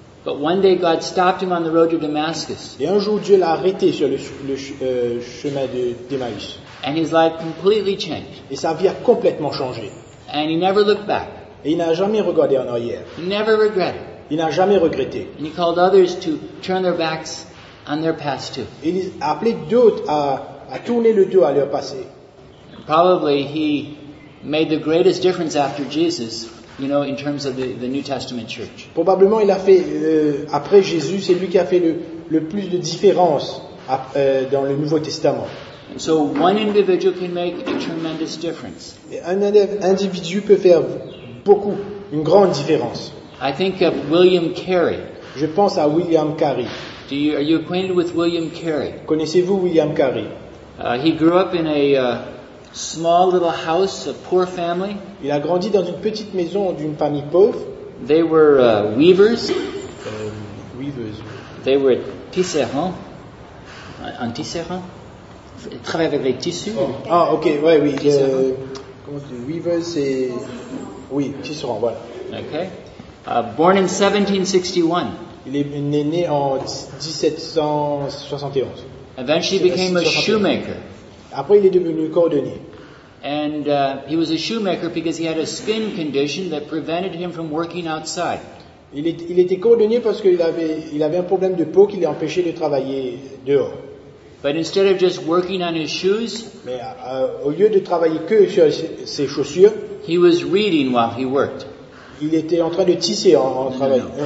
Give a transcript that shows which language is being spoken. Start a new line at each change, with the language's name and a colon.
English: But one day God stopped him on the road to Damascus.
French: Et un jour Dieu l'a arrêté sur le chemin de Damas.
English: And his life completely changed.
French: Et sa vie a complètement changé.
English: And he never looked back.
French: Et il n'a jamais regardé en arrière.
English: He never regretted.
French: Il n'a jamais regretté.
English: And he called others to turn their backs on their past too.
French: Il a appelé d'autres à tourner le dos à leur passé.
English: Probably he made the greatest difference after Jesus, you know, in terms of the New Testament church.
French: Probablement il a fait après Jésus, c'est lui qui a fait le plus de différence dans le Nouveau Testament.
English: And so one individual can make a tremendous difference.
French: Et un individu peut faire beaucoup, une grande différence.
English: I think of William Carey.
French: Je pense à William Carey.
English: Are you acquainted with William Carey?
French: Connaissez-vous William Carey?
English: He grew up in a small little house, a poor family.
French: Il a grandi dans une petite maison d'une famille pauvre.
English: They were weavers. Weavers. They were tisserands.
French: Un tisserand. Travaille avec les tissus. Oh. Ah, ok, ouais, oui. Comment dire, weavers, c'est... Oui, tisserand, voilà.
English: Ok. Born in 1761.
French: Il est né en 1771.
English: Eventually became a shoemaker.
French: Après, il est devenu cordonnier.
English: And he was a shoemaker because he had a skin condition that prevented him from working outside.
French: Il était cordonnier parce qu'il avait un problème de peau qui l'empêchait de travailler dehors.
English: But instead of just working on his shoes,
French: mais au lieu de travailler que sur ses chaussures,
English: he was reading while he worked.
French: Il était en train de tisser en travaillant.